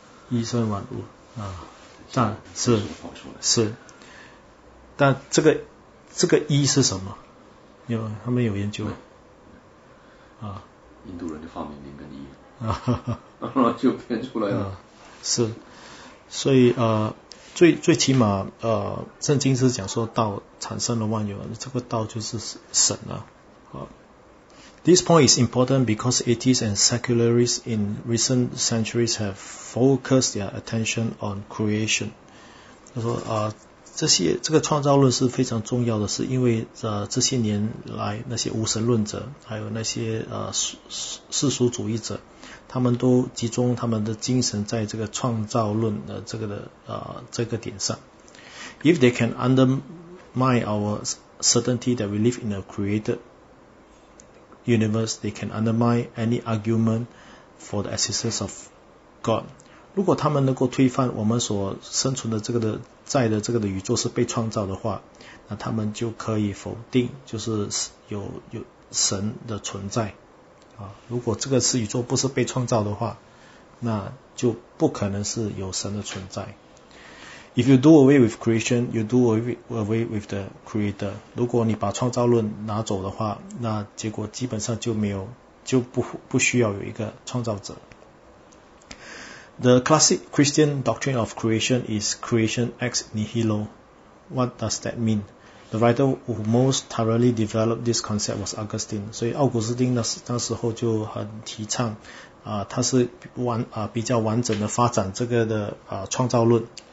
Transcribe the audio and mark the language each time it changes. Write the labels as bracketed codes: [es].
[zh] 一生万物但是但这个一是什么？有他们有研究印度人就发明零跟一然后就变出来了是，所以最起码圣经是讲说道产生了万有，这个道就是神 [en] This point is important because atheists and secularists in recent centuries have focused their attention on creation. [zh] 他说这个创造论是非常重要的，是因为这些年来那些无神论者还有那些世俗主义者，他们都集中他们的精神在这个创造论的这个点上。 [en] If they can undermine our certainty that we live in a created universe, they can undermine any argument for the existence of God. [zh] 如果他们能够推翻我们所生存的这个的宇宙是被创造的话，那他们就可以否定就是有神的存在如果这个是宇宙不是被创造的话，那就不可能是有神的存在。 [en] If you do away with creation, you do away with the creator. [zh] 如果你把创造论拿走的话，那结果基本上就没有，就 不需要有一个创造者。 [en] The classic Christian doctrine of creation is creation ex nihilo. What does that mean? The writer who most thoroughly developed this concept was Augustine. [zh] 所以奥古斯丁那时候就很提倡，他是比较完整的发展这个的创造论。